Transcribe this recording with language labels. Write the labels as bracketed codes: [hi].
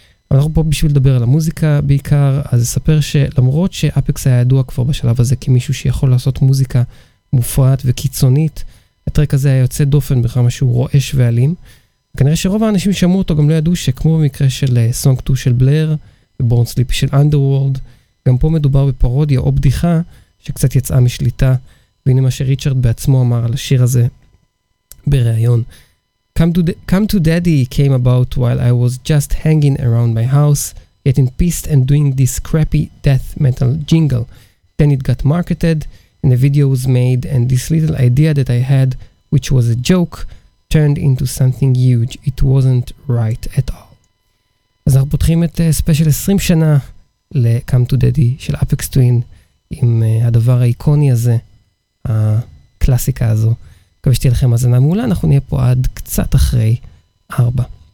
[he] אבל אנחנו פה בשביל לדבר על המוזיקה בעיקר, אז אספר שלמרות שאפקס היה ידוע כבר בשלב הזה כמישהו שיכול לעשות מוזיקה מופרעת וקיצונית, הטרק הזה היה יוצא דופן בכלל משהו רועש ואלים. כנראה שרוב האנשים שמעו אותו גם לא ידעו שכמו במקרה של סונג 2 של בלר, בורן סליפי של אנדרוורלד, גם פה מדובר בפרודיה או בדיחה שקצת יצאה משליטה, והנה מה שריצ'רד בעצמו אמר על השיר הזה בריאיון. [en] Come to daddy came about while I was just hanging around my house, getting pissed and doing this crappy death metal jingle. Then it got marketed and a video was made and this little idea that I had, which was a joke, turned into something huge. It wasn't right at all. [he] אז אנחנו פותחים את ספיישל 20 שנה ל-Come to Daddy של אפקס טווין עם הדבר האיקוני הזה, הקלאסיקה הזו. מקווה שתהיה לכם הזנה מעולה, אנחנו נהיה פה עד קצת אחרי 4.